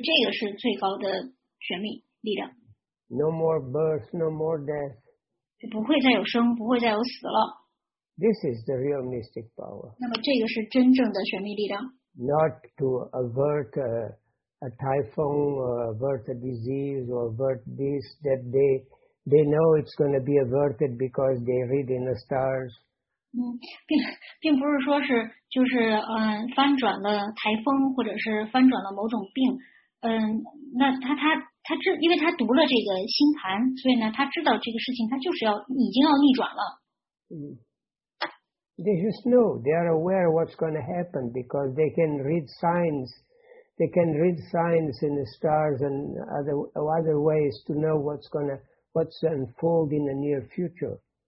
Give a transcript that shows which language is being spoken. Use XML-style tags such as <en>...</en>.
<zh>那么这个呢，其实是完全改变了他们的业报的这个反应，而且呢是停止了他的这个业报的生这个生死轮回，所以这个是最高的玄秘力量。</zh> <en>No more birth, no more death.</en> <zh>不会再有生，不会再有死了。</zh> <en>This is the real mystic power.</en> <zh>那么这个是真正的玄秘力量。</zh> <en>Not to avert a typhoon, or avert a disease, or avert this, that they know it's going to be averted because they read in the stars.</en> <zh>并不是说是翻转了台风，或者是翻转了某种病，那他。因为他读了这个星盘，所以呢，他知道这个事情，他就是要已经要逆转了。</zh> <en>They just know they are aware of what's going to happen because they can read signs. They can read signs in the stars and other ways to know what's unfold in the near future.</en>